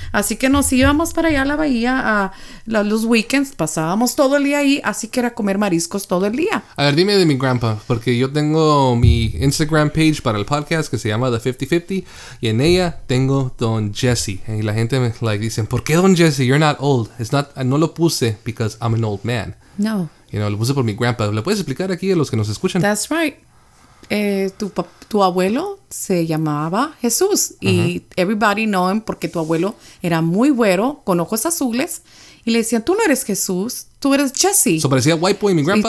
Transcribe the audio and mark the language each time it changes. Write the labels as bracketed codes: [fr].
[es] Así que nos íbamos para allá a la bahía a los weekends, pasábamos todo el día ahí, así que era comer mariscos todo el día. A ver, dime de mi grandpa, porque yo tengo mi Instagram page para el podcast que se llama The 5050, y en ella tengo Don Jesse. Y la gente me [en] like, [es] dicen, ¿por qué Don Jesse? [en] You're not old. It's not, [es] no lo puse [en] because I'm an old man. [es] No. [en] You know, [es] lo puse por mi grandpa. ¿Le puedes explicar aquí a los que nos escuchan? [en] That's right. [es] Tu abuelo se llamaba Jesús y [en] everybody know him [es] porque tu abuelo era muy güero con ojos azules y le decían, tú no eres Jesús, tú eres Jesse. ¿So parecía [en] white boy [es] mi grandpa?